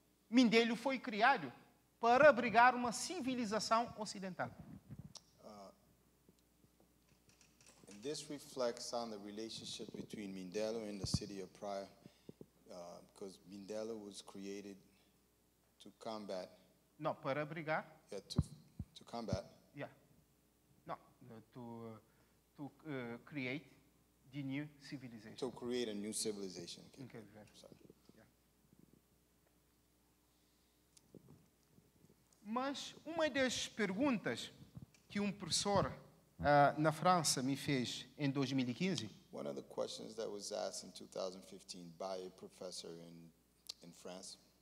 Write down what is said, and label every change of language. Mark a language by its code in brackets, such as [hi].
[pt] Mindelo foi criado para abrigar uma civilização ocidental. [en] This reflects on the relationship between Mindelo and the city of Praia, because Mindelo was created to combat. [pt] Não, para brigar. [en] Yeah, to combat. Yeah. No, to create the new civilization. To create a new civilization. Okay, okay, very good. Sorry. [pt] Mas uma das perguntas que professor na França me fez em 2015. [en] One of the questions that was asked in 2015 by a professor in France.